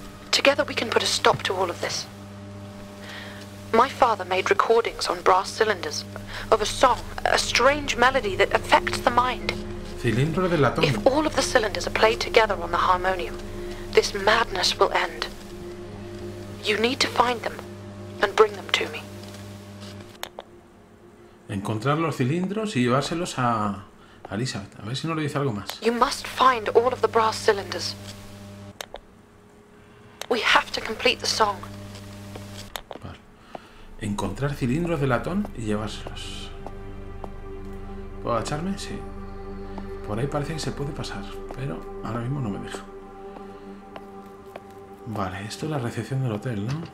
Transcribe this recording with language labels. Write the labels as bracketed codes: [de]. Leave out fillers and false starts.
[en] Together we can put a stop to all of this. My father made recordings on brass cylinders of a song, a strange melody that affects the mind. [es] Cilindro de latón. [en] If all of the cylinders are played together on the harmonium, this madness will end. You need to find them and bring them to me. [es] Encontrar los cilindros y llevárselos a Elizabeth. A ver si no le dice algo más. [en] You must find all of the brass cylinders. We have to complete the song. [es] Vale. Encontrar cilindros de latón y llevárselos. ¿Puedo agacharme? Sí. Por ahí parece que se puede pasar, pero ahora mismo no me deja. Vale, esto es la recepción del hotel, ¿no?